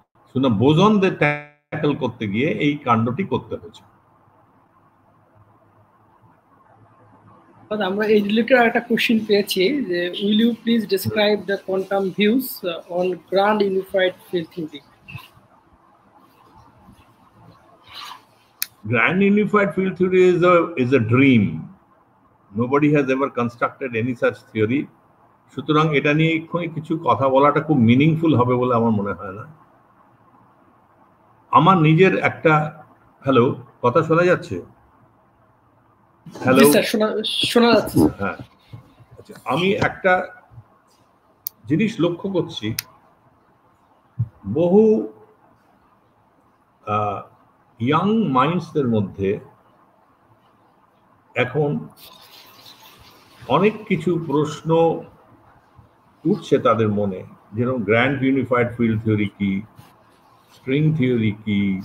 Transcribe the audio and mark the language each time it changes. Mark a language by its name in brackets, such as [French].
[Bangla] শুনে বোজনদের ট্যাকল করতে গিয়ে এই কাণ্ডটি করতে হয়েছে। আমরা এই রিলেটেড একটা কোশ্চেন পেয়েছি যে [English] Will you please describe the quantum views on grand unified field theory. Grand Unified Field Theory is a dream. Nobody has ever constructed any such theory. [Bangla] সুতরাং এটা নিয়ে এক্ষুনি কিছু কথা বলাটা খুব মিনিংফুল হবে বলে আমার মনে হয় না। আমার নিজের একটা, হ্যালো, কথা শোনা যাচ্ছে? হ্যালো, শোনা যাচ্ছে? হ্যাঁ, আচ্ছা, আমি একটা জিনিস লক্ষ্য করছি, বহু ইয়াং মাইন্ডসদের মধ্যে এখন অনেক কিছু প্রশ্ন উঠছে তাদের মনে, যেরকম গ্র্যান্ড ইউনিফাইড ফিল্ড থিওরি কি, স্ট্রিং থিওরি কি,